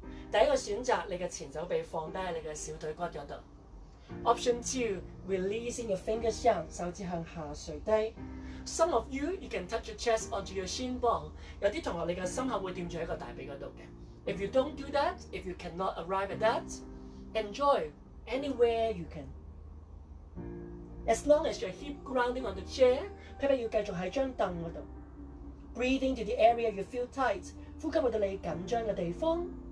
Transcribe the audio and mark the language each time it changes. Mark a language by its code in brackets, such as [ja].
[yue] 第一個選擇，你嘅前肘臂放低喺你嘅小腿骨嗰度。 [en] Option two, releasing your fingers down, [yue] 手指向下垂低。 [en] Some of you, you can touch your chest onto your shin bone. [yue] 有啲同學你嘅心口會掂住喺個大髀嗰度嘅。 [en] If you don't do that, if you cannot arrive at that, enjoy anywhere you can. As long as your hip grounding on the chair, [yue] 屁屁要繼續喺張凳嗰度。 [en] Breathing to the area you feel tight, [yue] 呼吸去到你緊張嘅地方。